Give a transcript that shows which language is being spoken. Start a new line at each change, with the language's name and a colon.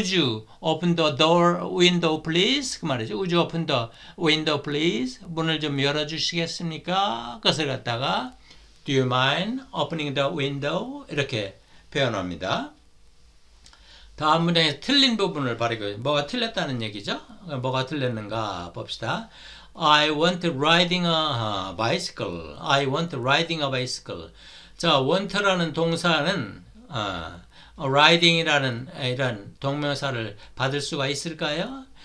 English: 우주 open the door window please
Korean: 그 말이죠.
English: 우주 open the window please
Korean: 문을 좀 열어주시겠습니까? 그것을 갖다가
English: Do you mind opening the window?
Korean: 이렇게 표현합니다. 다음 문장에서 틀린 부분을 바르고 뭐가 틀렸다는 얘기죠? 뭐가 틀렸는가 봅시다.
English: I want riding a bicycle. I want riding a bicycle.
Korean: 자, want라는 동사는 riding이라는 이런 동명사를 받을 수가 있을까요?